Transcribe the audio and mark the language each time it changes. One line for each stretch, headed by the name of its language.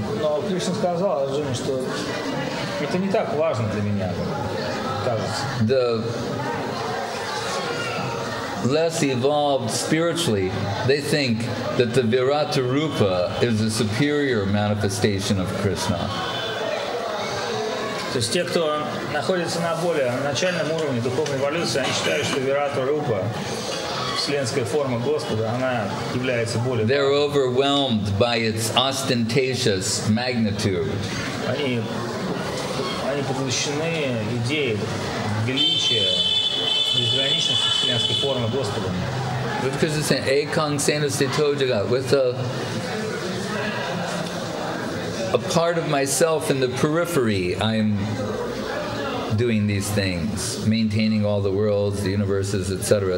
Russian: No, Krishna сказал Arjuna, что это не так важно для меня, кажется.
English: The less evolved spiritually, they think that the Virata Rupa is a superior manifestation of Krishna.
Russian: То есть те, кто находится на более начальном уровне духовной эволюции, они считают, что Вирата Рупа, вселенская форма Господа, она является более...
English: They're overwhelmed by its ostentatious magnitude.
Russian: Они поглощены идеей величия, безграничности вселенской формы Господа.
English: with Krishna saying, Ekang Sanasti Tojaga, with a part of myself in the periphery, I'm doing these things, maintaining all the worlds, the universes, etc.